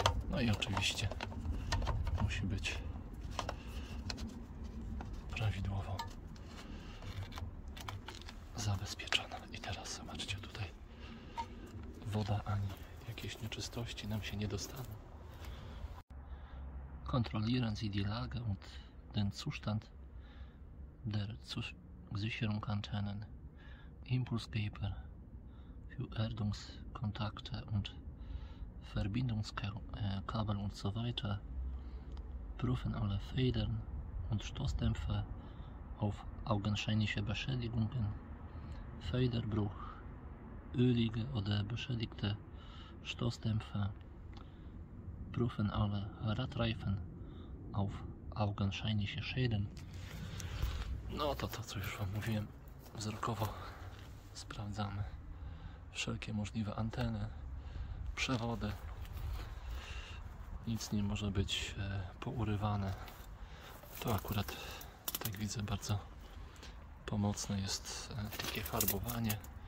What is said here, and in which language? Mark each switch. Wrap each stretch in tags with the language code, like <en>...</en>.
<pl>No i oczywiście musi być prawidłowo zabezpieczona. I teraz zobaczcie, tutaj woda ani jakieś nieczystości nam się nie dostaną.</pl> <de>Kontrollieren Sie die Lage und den Zustand der Sicherungsantennen, Impulsgeber für Erdungskontakte und Verbindungskabel und so weiter. Prüfen alle Federn und Stoßdämpfe auf augenscheinliche Beschädigungen, Federbruch, ölige oder beschädigte Stoßdämpfe. Prüfen alle Radreifen auf augenscheinliche Schäden.</de> <pl>No to to, co już Wam mówiłem, wzrokowo sprawdzamy wszelkie możliwe anteny, przewody. Nic nie może być pourywane. To akurat, tak widzę, bardzo pomocne jest takie farbowanie.</pl>